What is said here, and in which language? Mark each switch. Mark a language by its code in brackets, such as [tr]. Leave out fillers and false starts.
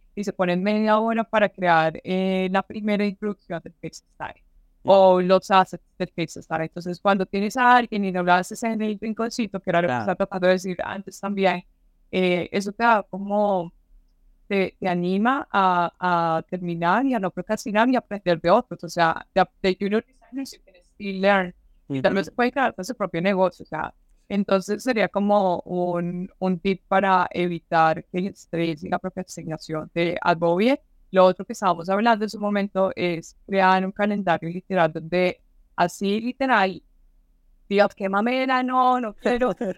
[es] Y se ponen media hora para crear la primera introducción del case study o los assets del case study. Entonces, cuando tienes a alguien y no lo haces en el rinconcito, que era lo que Claro. estaba tratando de decir antes también, eso te da como, te anima a terminar y a no procrastinar y aprender de otros. O sea, de [en] junior designers, you can still learn. [es] Y tal vez puede crear su propio negocio. O sea, entonces sería como un tip para evitar que el estrés y la procrastinación te agobie. Lo otro que estábamos hablando en su momento es crear un calendario literal donde así literal, Dios, qué mamera, no, no quiero.